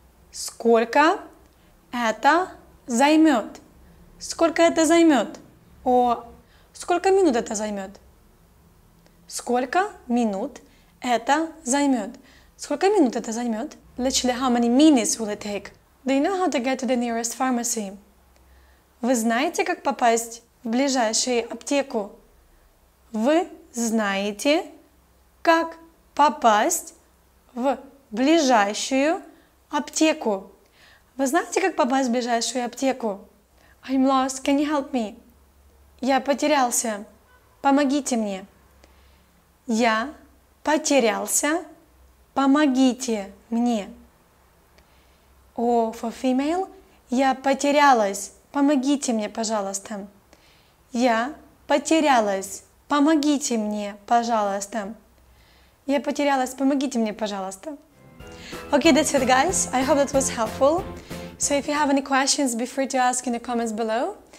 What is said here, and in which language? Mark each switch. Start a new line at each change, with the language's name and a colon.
Russian: Сколько это займет? Сколько это займет? О, сколько минут это займет? Сколько минут это займет? Сколько минут это займет?
English: Literally, how many minutes will it take? Do you know how to get to the nearest pharmacy?
Russian: Вы знаете, как попасть в ближайшую аптеку? Вы знаете, как попасть в ближайшую аптеку? Вы знаете, как попасть в ближайшую аптеку?
English: I'm lost. Can you help me?
Russian: Я потерялся. Помогите мне. Я потерялся. Помогите мне.
English: Oh, for female,
Russian: я потерялась. Помогите мне, пожалуйста. Я потерялась. Помогите мне, пожалуйста. Я потерялась. Помогите мне, пожалуйста.
English: Okay, that's it, guys. I hope that was helpful. So if you have any questions, be free to ask in the comments below.